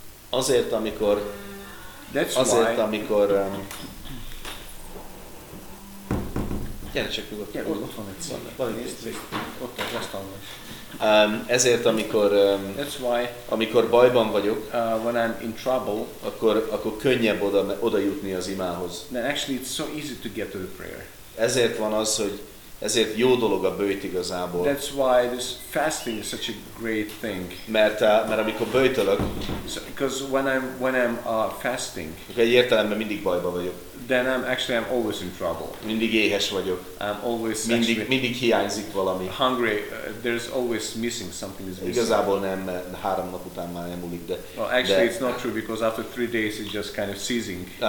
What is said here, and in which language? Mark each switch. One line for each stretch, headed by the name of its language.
Hungarian: Azért, amikor amikor bajban vagyok,
English: when I'm in trouble,
Hungarian: akkor könnyebb oda jutni az imához.
English: Then actually it's so easy to get to the prayer.
Hungarian: Ezért van az, hogy ezért jó dolog a böjt igazából.
English: That's why this fasting is such a great thing.
Hungarian: Mert amikor böjtölök,
English: so, because when I'm fasting,
Hungarian: egy értelemben mindig bajban vagyok.
English: then I'm always in trouble.
Hungarian: Mindig éhes vagyok.
English: I'm always
Hungarian: mindig hiányzik valami.
English: Hungry, there's always missing, something is missing.
Hungarian: Igazából nem, három nap után már nem múlik, de...
English: Well, actually it's not true, because after three days it's just kind of seizing.